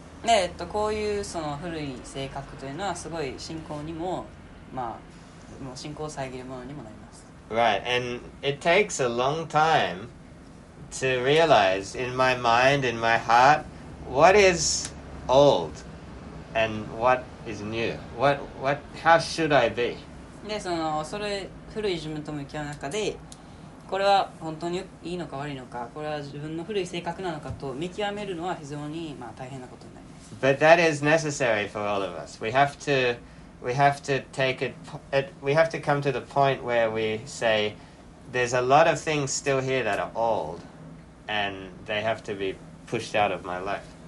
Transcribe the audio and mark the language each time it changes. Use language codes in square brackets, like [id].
[ja] で、こういうその古い性格というのはすごい信仰にも、まあ、もう信仰を遮るものにもなります。 [en] Right, and it takes a long time to realize in my mind, in my heart, what is old. And what is new? How should I be? [ja] で、その、それ、古い自分と向き合う中で、これは本当にいいのか悪いのか、これは自分の古い性格なのかと見極めるのは非常に、まあ、大変なことになります。 [en] But that is necessary for all of us. We have to come to the point where we say, there's a lot of things still here that are old, and they have to be pushed out of my life.